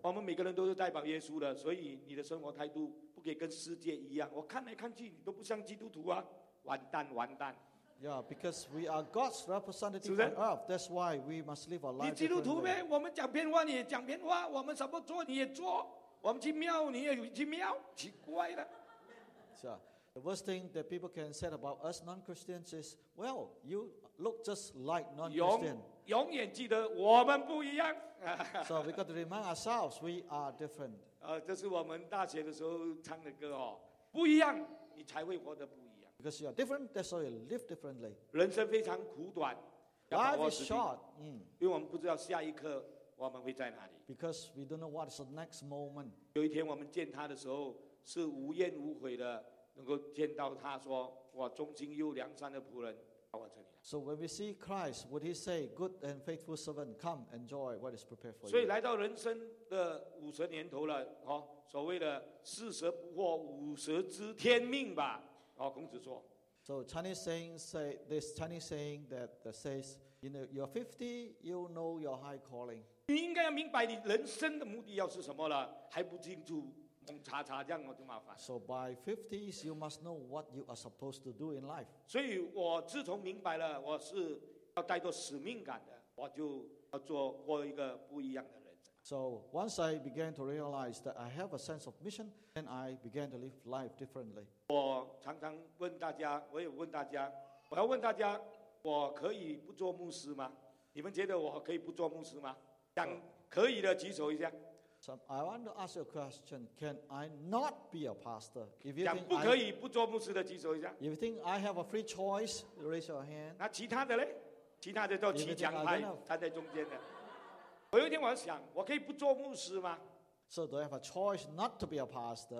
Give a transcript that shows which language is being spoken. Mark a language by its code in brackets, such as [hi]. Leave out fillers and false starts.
[zh] 我们每个人都是代表耶稣的，所以你的生活态度不可以跟世界一样。我看来看去，你都不像基督徒啊！完蛋，完蛋。 [en] Yeah, because we are God's representative on earth. That's why we must live our life. [zh] 你基督徒呗？我们讲偏话，你也讲偏话；我们什么做，你也做。我们去庙，你也有去庙，奇怪了。 [en] So, the worst thing that people can say about us non-Christians is, well, you look just like non-Christian. [zh] 永远记得我们不一样。 [en] So we got to remind ourselves we are different. [zh] 这是我们大学的时候唱的歌哦。不一样，你才会活得不一样。 [en] Because you are different, that's why you live differently. [zh] 人生非常苦短。 [en] Life is short. [zh] 因为我们不知道下一刻。我们会在哪里 [en] ？Because we don't know what is the next moment. [zh] 有一天我们见他的时候，是无怨无悔的，能够见到他说：“我忠心又良善的仆人，到我这里来。” [en] So when we see Christ, would he say, "Good and faithful servant, come enjoy what is prepared for you"? [zh] 所以来到人生的五十年头了，所谓的“四十不惑，五十知天命”吧，孔子说。 [en] So Chinese saying say this Chinese saying that says, you know, you're 50, you know your high calling. [zh] 你应该要明白你人生的目的要是什么了，还不清楚，蒙查查这样我就麻烦。 [en] So by 50s, you must know what you are supposed to do in life. [zh] 所以我自从明白了我是要带着使命感的，我就要做过一个不一样的人。 [en] So once I began to realize that I have a sense of mission, then I began to live life differently. [zh] 我常常问大家，我也问大家，我要问大家，我可以不做牧师吗？你们觉得我可以不做牧师吗？讲可以的举手一下。 [en] So I want to ask you a question. Can I not be a pastor? If you think [zh] 不可以不做牧师的举手一下。 [en] If you think I have a free choice, raise your hand. [zh] 那其他的呢？其他的都起讲台站在中间的。我有一天我想，我可以不做牧师吗？ [en] So do I have a choice not to be a pastor?